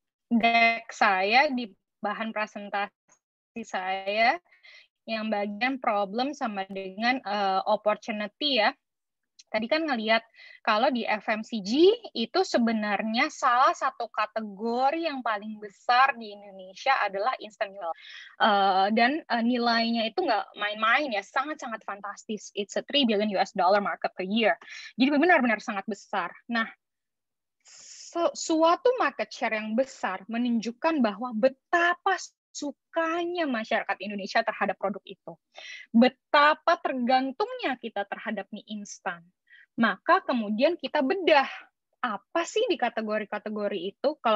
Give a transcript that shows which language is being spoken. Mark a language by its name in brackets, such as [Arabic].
[Indonesian] deck saya, di bahan presentasi saya, yang bagian problem sama dengan opportunity ya. Tadi kan ngelihat kalau di FMCG itu sebenarnya salah satu kategori yang paling besar di Indonesia adalah instant noodle. Dan nilainya itu nggak main-main ya, sangat-sangat fantastis. [English] It's a $3 billion market per year. [Indonesian] Jadi benar-benar sangat besar. Nah, suatu market share yang besar menunjukkan bahwa betapa sukanya masyarakat Indonesia terhadap produk itu. Betapa tergantungnya kita terhadap mie instan. Maka kemudian kita bedah apa sih di kategori-kategori itu.